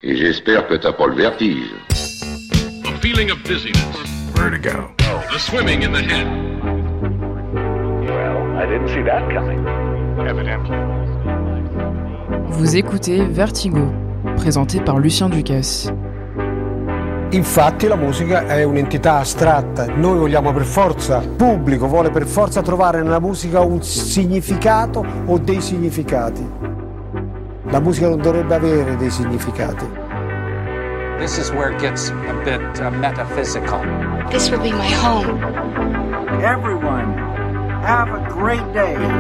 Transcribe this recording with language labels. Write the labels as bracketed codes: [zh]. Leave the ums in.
[fr] Et j'espère que t'as pas le vertige. [en] A feeling of dizziness. Vertigo. The swimming in the head. Well, I didn't see that coming. Evidently. [fr] Vous écoutez Vertigo, présenté par Lucien Ducasse. [it] Infatti la musica è un'entità astratta, noi vogliamo per forza, il pubblico vuole per forza trovare nella musica un significato o dei significati. La musica non dovrebbe avere dei significati. [en] This is where it gets a bit uh, metaphysical. This will be my home. Everyone, have a great day.